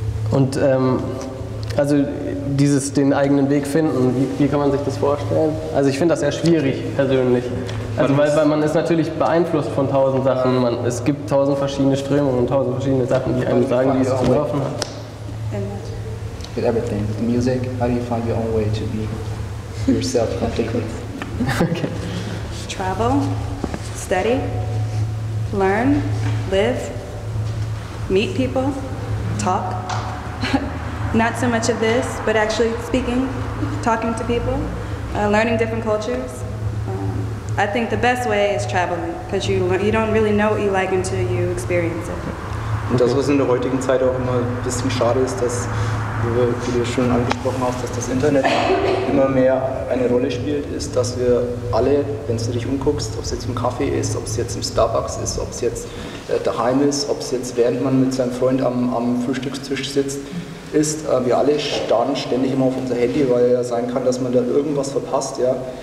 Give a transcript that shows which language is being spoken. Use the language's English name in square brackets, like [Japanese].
[German] Und also dieses den eigenen Weg finden, wie kann man sich das vorstellen? Also ich finde das sehr schwierig persönlich. Also weil man ist natürlich beeinflusst von tausend Sachen. Es gibt tausend verschiedene Strömungen und tausend verschiedene Sachen, die einem sagen, wie es zu laufen hat. [English] With everything, with music, how do you find your own way to be yourself completely? Okay. Travel, study, learn, live, meet people, talk. Not so much of this, but actually speaking, talking to people, learning different cultures. I think the best way is traveling, because you don't really know what you like until you experience it. [German] Und das, was in der heutigen Zeit auch immer ein bisschen schade ist, dass, wie du schon angesprochen hast, dass das Internet immer mehr eine Rolle spielt, ist, dass wir alle, wenn du dich umguckst, ob es jetzt im Café ist, ob es jetzt im Starbucks ist, ob es jetzt daheim ist, ob es jetzt während man mit seinem Freund am Frühstückstisch sitzt, ist, wir alle starren ständig immer auf unser Handy, weil ja sein kann, dass man da irgendwas verpasst, ja,